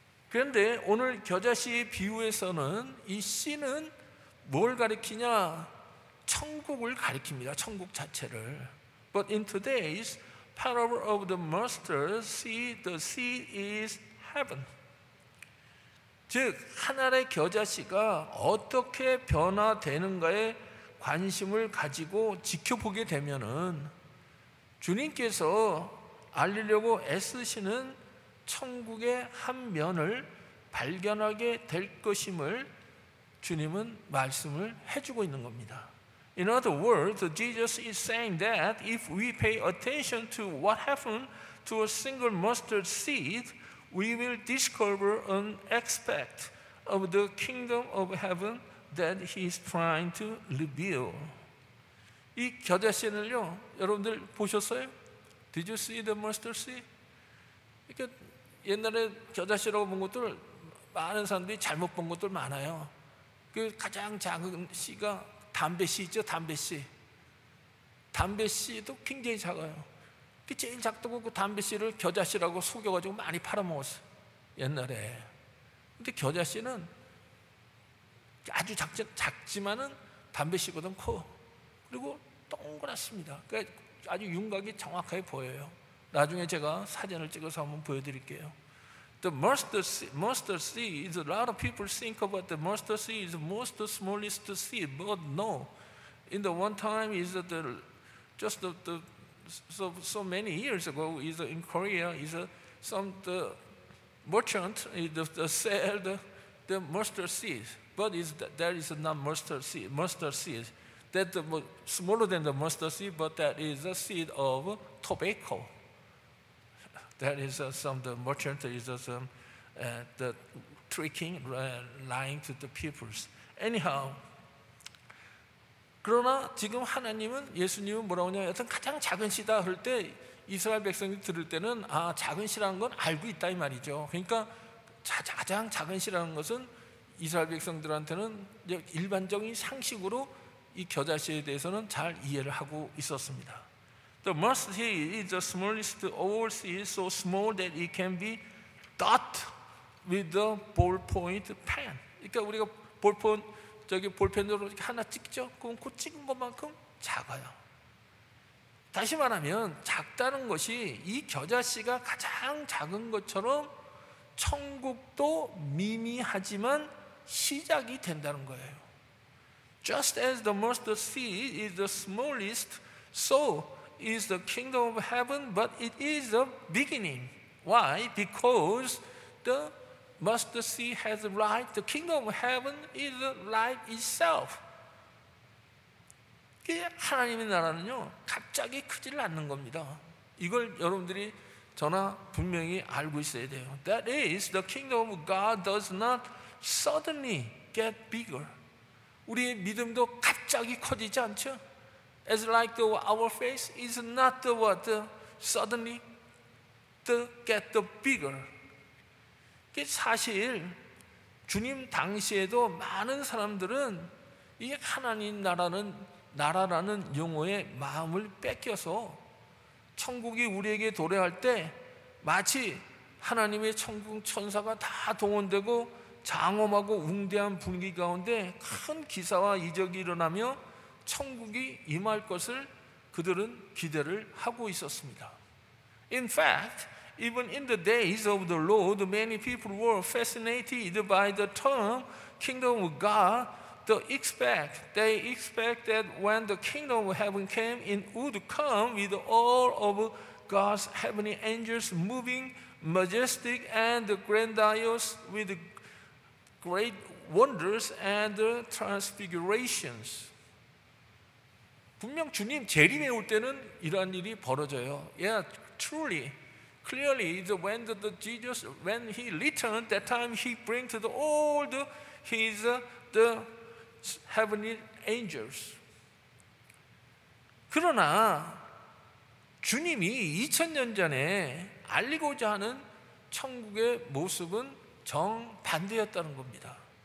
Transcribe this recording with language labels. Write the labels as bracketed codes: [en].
[ko] 그런데 오늘 겨자씨의 비유에서는 이 씨는 뭘 가리키냐? 천국을 가리킵니다. 천국 자체를. [en] But in today's parable of the mustard seed, the seed is heaven. [ko] 즉, 하나의 겨자씨가 어떻게 변화되는가에 관심을 가지고 지켜보게 되면은 주님께서 알리려고 애쓰시는 천국의 한 면을 발견하게 될 것임을 주님은 말씀을 해주고 있는 겁니다. [en] In other words, Jesus is saying that if we pay attention to what happened to a single mustard seed, we will discover an aspect of the kingdom of heaven that he is trying to reveal. [ko] 이 겨자씨는요, 여러분들 보셨어요? [en] Did you see the mustard seed? [ko] 이렇게 옛날에 겨자씨라고 본 것들 많은 사람들이 잘못 본 것들 많아요. 그 가장 작은 씨가 담배씨 있죠, 담배씨. 담배씨도 굉장히 작아요. 그 제일 작다고 그 담배씨를 겨자씨라고 속여가지고 많이 팔아먹었어요. 옛날에. 근데 겨자 씨는 아주 작지만은 담배 씨거든 커. 그리고 동그랗습니다. 그러니까 아주 윤곽이 정확하게 보여요. 나중에 제가 사진을 찍어서 한번 보여드릴게요. [en] The mustard seed, is a lot of people think about the mustard seed is the most smallest seed, but no. In the one time is the just the so many years ago is in Korea is some the merchant the sell the mustard seeds, but is that is not mustard seed. Mustard seed that the smaller than the mustard seed, but that is a seed of tobacco. That is some the merchant is some the tricking lying to the peoples. Anyhow. [ko] 그러나 지금 하나님은 예수님은 뭐라고 하냐? 여튼 가장 작은 씨다 그럴 때 이스라엘 백성이 들을 때는 아 작은 씨라는 건 알고 있다 이 말이죠. 그러니까 가장 작은 씨라는 것은 이스라엘 백성들한테는 일반적인 상식으로 이 겨자 씨에 대해서는 잘 이해를 하고 있었습니다. [en] The mustard seed is the smallest of all seeds, so small that it can be dot with a ballpoint pen. [ko] 그러니까 우리가 볼펜 저기 볼펜으로 이렇게 하나 찍죠. 그럼 그 찍은 것만큼 작아요. 다시 말하면 작다는 것이 이 겨자 씨가 가장 작은 것처럼 천국도 미미하지만 시작이 된다는 거예요. [en] Just as the mustard seed is the smallest, so is the kingdom of heaven, but it is a beginning. Why? Because the mustard seed has life. The kingdom of heaven is life itself. [ko] 하나님의 나라는요, 갑자기 크질 않는 겁니다. 이걸 여러분들이 저나 분명히 알고 있어야 돼요. [en] That is, the kingdom of God does not suddenly get bigger. [ko] 우리의 믿음도 갑자기 커지지 않죠? [en] As like the, our faith is not the what the suddenly the get the bigger. [ko] 사실 주님 당시에도 많은 사람들은 이 하나님 나라는 나라라는 용어에 마음을 뺏겨서 천국이 우리에게 도래할 때 마치 하나님의 천국 천사가 다 동원되고 장엄하고 웅대한 분위기 가운데 큰 기사와 이적이 일어나며 천국이 임할 것을 그들은 기대를 하고 있었습니다. [en] In fact, even in the days of the Lord, many people were fascinated by the term kingdom of God. They expect that when the kingdom of heaven came, it would come with all of God's heavenly angels moving majestic and grandiose with great wonders and transfigurations. [ko] 분명 주님 재림에 올 때는 이러한 일이 벌어져요. [en] Yeah, truly. Clearly, when the Jesus, when he returned, that time he brings all his the heavenly angels. [ko] 그러나 주님이 2000년 전에 알리고자 하는 천국의 모습은 정반대였다는 겁니다.